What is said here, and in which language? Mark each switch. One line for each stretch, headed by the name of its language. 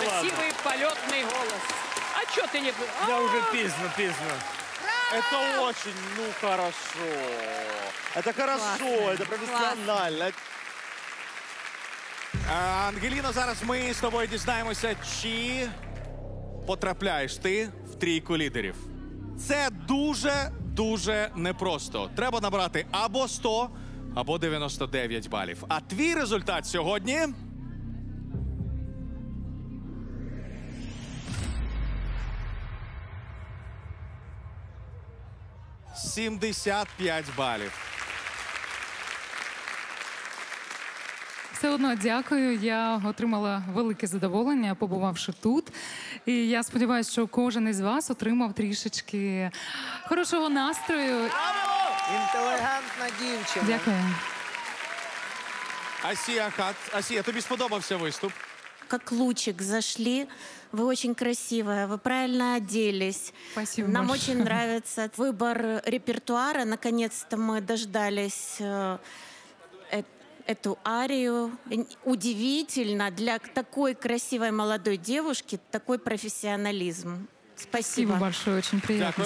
Russian: красивый полетный голос. А что ты не... Я уже поздно. Это очень, ну хорошо. Это хорошо, это профессионально.
Ukrainian: Ангеліно, зараз ми з тобою дізнаємося, чи потрапляєш ти в трійку лідерів. Це дуже-дуже непросто. Треба набрати або 100, або 99 балів. А твій результат сьогодні... ...75 балів. Все одно дякую. Я отримала велике задоволення, побувавши тут. І я сподіваюся, що кожен із вас отримав трішечки хорошого настрою. Інтелігентна дівчина. Дякую. Асія Хат. Асія, тобі сподобався виступ? Як лучик зайшли. Ви дуже красива, ви правильно оделись.
Russian: Спасибо.
Ukrainian: Нам дуже подобається вибір репертуару.
Russian: Наконец-то ми дождались... эту арию. Удивительно для такой красивой молодой девушки такой профессионализм. Спасибо. Спасибо большое, очень приятно.